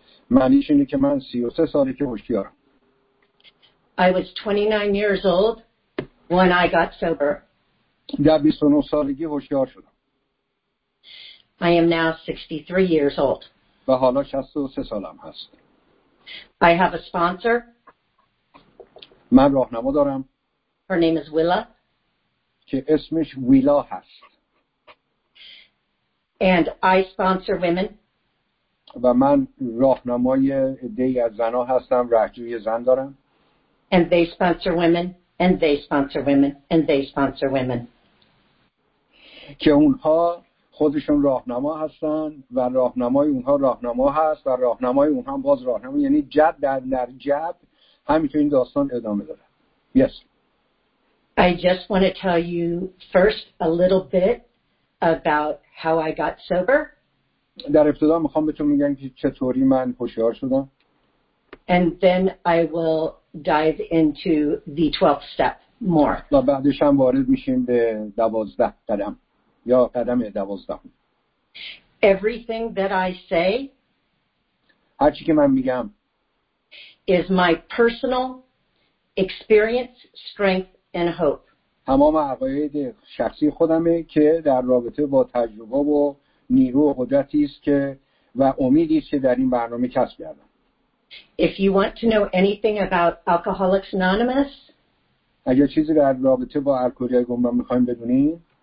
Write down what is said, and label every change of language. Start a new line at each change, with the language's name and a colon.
Persian: معنیش اینه که من 33 سالی که هوشیارم.
English: I was 29 years old when I got sober.
Persian: در 29 سالگی هوشیار شدم.
English: I am now 63 years old.
Persian: و حالا 63 سالم هست.
English: I have a sponsor.
Persian: من راهنما دارم.
English: Her name is Willa.
Persian: که اسمش ویلا هست.
English: And I sponsor women.
Persian: و من راهنمای عده‌ای از زنها هستم، رهجوی زن دارم.
English: And they sponsor women, and they sponsor women, and they sponsor women.
Persian: که اونها خودشون راهنما هستن و راهنمای اونها راهنما هست و راهنمای اونها هم باز راهنما، یعنی جد در جد همینطور این داستان ادامه داره.
English: Yes. I just want to tell you first a little bit about how I got sober.
Persian: در ابتدا میخوام بهتون میگم که چطوری من هوشیار شدم.
English: And then I will dive into the 12th step more.
Persian: و بعدش هم وارد میشیم به 12 قدم. یا قدم 12.
English: Everything that I say,
Persian: هر چی که من میگم,
English: is my personal experience, strength, and hope.
Persian: تمام عقاید شخصی خودمه که در رابطه با تجربه و نیرو و قدرتی است که و امیدی است که در این برنامه کسب کردم.
English: If you want to know anything about Alcoholics Anonymous,
Persian: اگر چیزی در رابطه با الکلی‌های گمنام می‌خواید بدونید,